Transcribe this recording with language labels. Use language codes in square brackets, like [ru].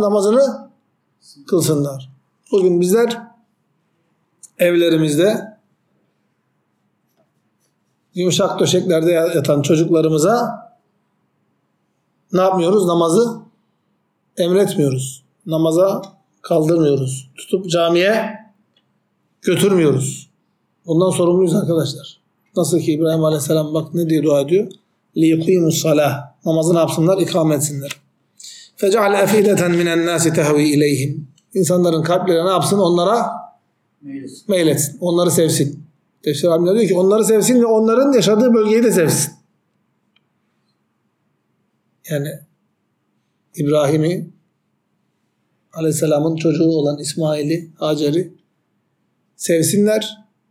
[tr] Namazını kılsınlar. Bugün bizler evlerimizde yumuşak döşeklerde yatan çocuklarımıza ne yapmıyoruz? Namazı emretmiyoruz. Namaza kaldırmıyoruz. Tutup camiye götürmüyoruz. Ondan sorumluyuz arkadaşlar. Nasıl ki İbrahim Aleyhisselam bak ne diye dua ediyor? [ar] لِيُقِيمُ الصَّلَاةِ, [tr] namazı ne yapsınlar? İkame etsinler. [ar] فَجَعَلْ اَفِيدَةً مِنَ النَّاسِ تَهْوِي اِلَيْهِمْ, [tr] İnsanların kalpleri ne yapsın? Onlara meyletsin. Onları sevsin. Tefsir alimler diyor ki onları sevsin ve onların yaşadığı bölgeyi de sevsin. Yani İbrahim'i, Aleyhisselam'ın çocuğu olan İsmail'i, Hacer'i sevsinler.